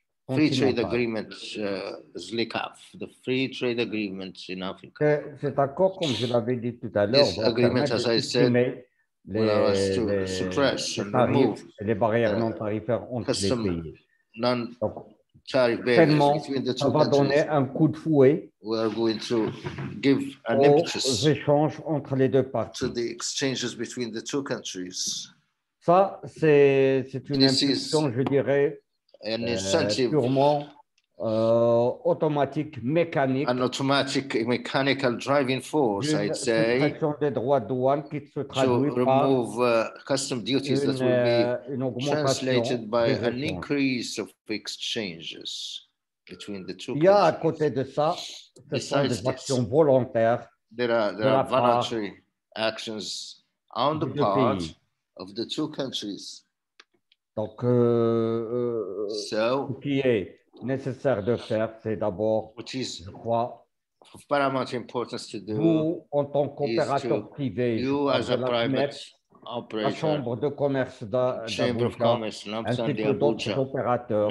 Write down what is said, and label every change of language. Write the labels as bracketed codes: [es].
[en] Free trade agreements, SLICAF, the free trade agreements in Africa. [fr] Cet accord, comme je l'avais dit tout à l'heure, [en] this agreement, as I said, les [fr] barrières non tarifaires entre les pays. [en] Non-tarif [fr] barriers. Ça va donner un coup de fouet. [en] We are going to give an impetus [fr] aux échanges entre les deux parties. [en] To the exchanges between the two countries. [fr] Ça, c'est une impulsion, je dirais. [en] An incentive, [fr] purement automatique, mécanique. [en] An automatic mechanical driving force, I'd say. [fr] Une suppression des droits de douane qui se traduit par [en] Custom duties that will be translated by an increase of exchanges between the two. [fr] Il y a à côté de ça, ce sont des actions volontaires. [en] There are voluntary actions on the part of the two countries. [fr] Donc, ce qui est nécessaire de faire, c'est d'abord, je crois, [en] of paramount importance to do, [fr] vous, en tant qu'opérateur privé, [en] you as a private operator, [fr] la Chambre de commerce d'Abuja, ainsi que d'autres opérateurs,